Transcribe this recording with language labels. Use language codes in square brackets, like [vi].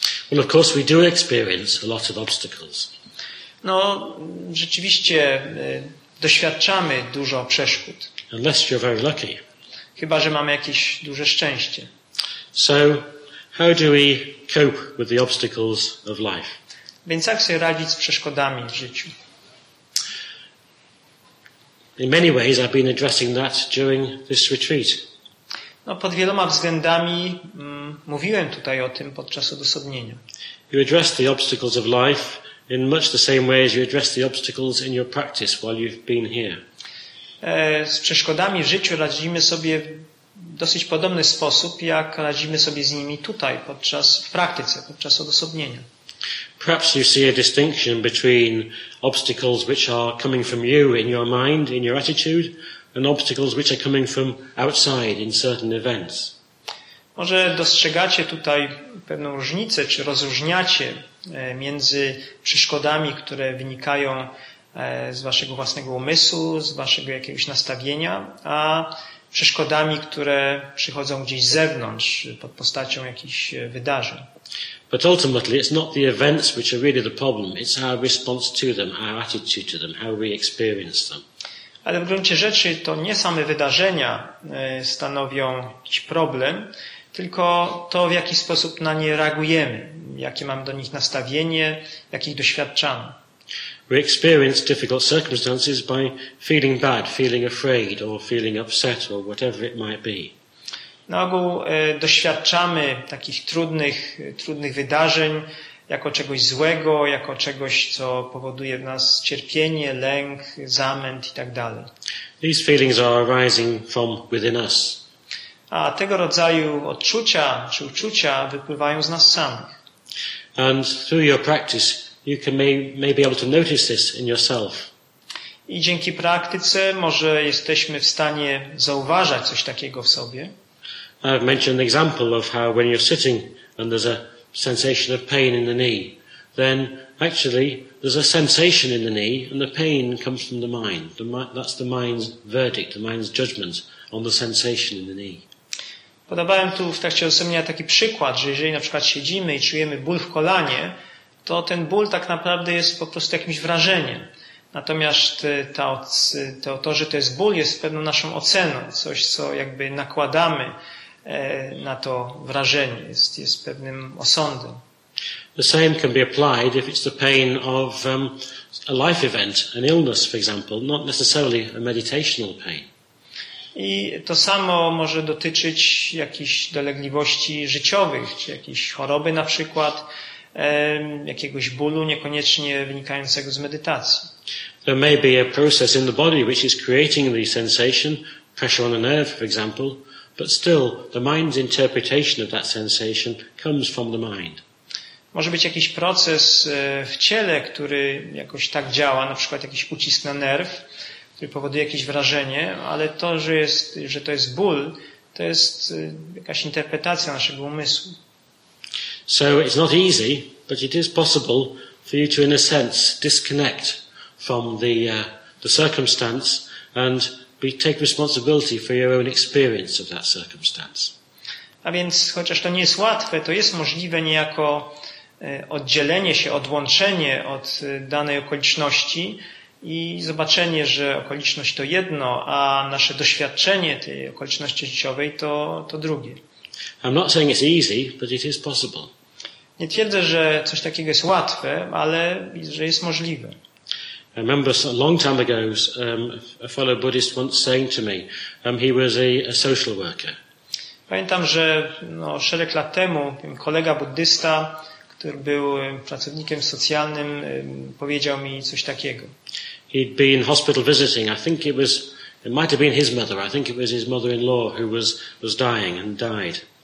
[en] Well, of course, we do experience a lot of obstacles. [pl] No, rzeczywiście doświadczamy dużo przeszkód. [en] Unless you're very lucky. [pl] Chyba że mamy jakieś duże szczęście. [en] So, how do we cope with the obstacles of life? [pl] Więc jak sobie radzić z przeszkodami w życiu? [en] In many ways, I've been addressing that during this retreat. [pl] No, pod wieloma względami mówiłem tutaj o tym podczas odosobnienia. [en] You address the obstacles of life in much the same way as you address the obstacles in your practice while you've been here. [pl] Z przeszkodami w życiu radzimy sobie w dosyć podobny sposób, jak radzimy sobie z nimi tutaj podczas w praktyce, podczas odosobnienia. [en] Perhaps you see a distinction between obstacles which are coming from you in your mind, in your attitude, and obstacles which are coming from outside in certain events. [pl] Może dostrzegacie tutaj pewną różnicę, czy rozróżniacie między przeszkodami, które wynikają z waszego własnego umysłu, z waszego jakiegoś nastawienia, a przeszkodami, które przychodzą gdzieś z zewnątrz, pod postacią jakichś wydarzeń. [en] But ultimately it's not the events which are really the problem, it's our response to them, our attitude to them, how we experience them. [pl] Ale w gruncie rzeczy to nie same wydarzenia stanowią jakiś problem, tylko to, w jaki sposób na nie reagujemy, jakie mamy do nich nastawienie, jakich doświadczamy. [en] We experience difficult circumstances by feeling bad, feeling afraid, or feeling upset, or whatever it might be. [pl] Na ogół doświadczamy takich trudnych wydarzeń jako czegoś złego, jako czegoś, co powoduje w nas cierpienie, lęk, zamęt i tak dalej. [en] These feelings are arising from within us. [pl] A tego rodzaju odczucia czy uczucia wypływają z nas samych. [en] And through your practice you can may be able to notice this in yourself. [pl] I dzięki praktyce może jesteśmy w stanie zauważać coś takiego w sobie. [en] I've mentioned an example of how when you're sitting and there's a sensation of pain in the knee, then actually there's a sensation in the knee and the pain comes from the mind. That's the mind's verdict, the mind's judgment on the sensation in the knee. [pl] Podawałem tu w trakcie osobnienia taki przykład, że jeżeli na przykład siedzimy i czujemy ból w kolanie, to ten ból tak naprawdę jest po prostu jakimś wrażeniem. Natomiast to, że to jest ból, jest pewną naszą oceną, coś, co jakby nakładamy na to wrażenie, jest pewnym osądem. [en] The same can be applied if it's the pain of a life event, an illness, for example, not necessarily a meditational pain. [pl] I to samo może dotyczyć jakichś dolegliwości życiowych, czy jakiejś choroby na przykład, jakiegoś bólu niekoniecznie wynikającego z medytacji. [en] There may be a process in the body which is creating the sensation, pressure on a nerve, for example, but still the mind's interpretation of that sensation comes from the mind. [pl] Może być jakiś proces w ciele, który jakoś tak działa, na przykład jakiś ucisk na nerw, który powoduje jakieś wrażenie, ale to, że to jest ból, to jest jakaś interpretacja naszego umysłu. [en] So it's not easy, but it is possible for you to, in a sense, disconnect from the circumstance and take responsibility for your own experience of that circumstance. [pl] A więc, chociaż to nie jest łatwe, to jest możliwe niejako oddzielenie się, odłączenie od danej okoliczności i zobaczenie, że okoliczność to jedno, a nasze doświadczenie tej okoliczności życiowej to drugie. [en] I'm not saying it's easy, but it is possible. [pl] Nie twierdzę, że coś takiego jest łatwe, ale że jest możliwe. [en] I remember a long time ago a fellow Buddhist once saying to me, he was a social worker. [pl] Pamiętam, że szereg lat temu kolega buddysta, który był pracownikiem socjalnym, powiedział mi coś takiego. [en] He'd been hospital visiting. I think it might have been his mother. I think it was his mother-in-law who was dying and died.